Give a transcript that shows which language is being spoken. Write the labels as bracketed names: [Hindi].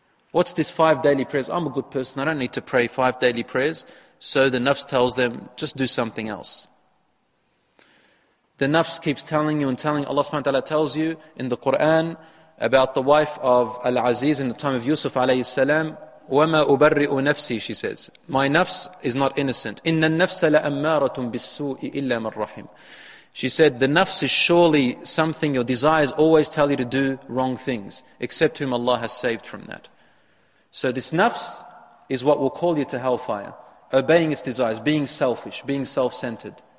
[English] What's this 5 daily prayers? I'm a good person. I don't need to pray 5 daily prayers. So the nafs tells them, just do something else. The nafs keeps telling you and telling you. Allah subhanahu wa ta'ala tells you in the Quran about the wife of Al-Aziz in the time of Yusuf alayhi salam. [Arabic] وَمَا أُبَرِّئُ نَفْسِي, [English] she says. My nafs is not innocent. [Arabic] إِنَّ النَّفْسَ لَأَمَّارَةٌ بِالسُّوءِ إِلَّا مَنْ رَحِمٍ. [English] She said, the nafs is surely something your desires always tell you to do wrong things, except whom Allah has saved from that. So this nafs is what will call you to hellfire, obeying its desires, being selfish, being self-centered.